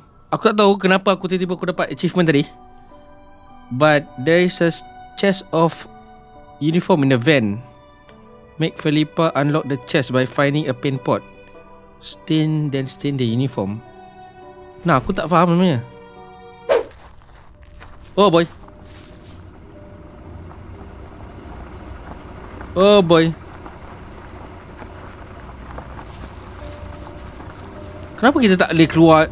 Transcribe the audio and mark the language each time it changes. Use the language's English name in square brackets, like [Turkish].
[Malay] Aku tak tahu kenapa aku tiba-tiba aku dapat achievement tadi. [English] But there is a chest of uniform in the van. Make Felipa unlock the chest by finding a paint pot. Stain the uniform. [Malay] Nah, aku tak faham namanya. [English] Oh boy. [Malay] Kenapa kita tak boleh keluar?